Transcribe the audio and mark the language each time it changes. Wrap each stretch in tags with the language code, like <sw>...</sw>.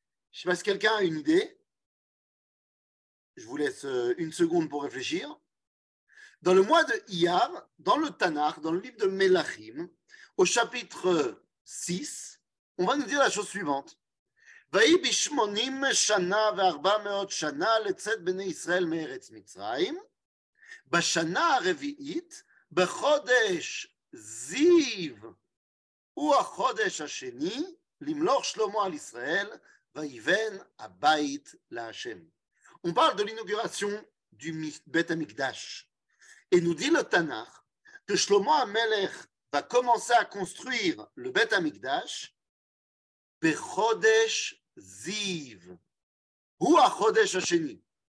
<fr>Je ne sais pas si quelqu'un a une idée. Je vous laisse une seconde pour réfléchir. Dans le mois de Iyar, dans le Tanakh, dans le livre de Melachim, au chapitre 6, on va nous dire la chose suivante.</fr> <he>ויהי בשמונים שנה וארבע מאות שנה לצאת בני ישראל מארץ מצרים, בשנה הרביעית, בחודש זיו, הוא החודש השני, למלוך שלמה על ישראל, ויבן הבית להשם.</he> <fr>On parle de l'inauguration du בית המקדש. Et nous dit le Tanakh que Shlomo HaMelech va commencer à construire le בית המקדש, בחודש Ziv, ou à Chodesh Hasheni.</fr>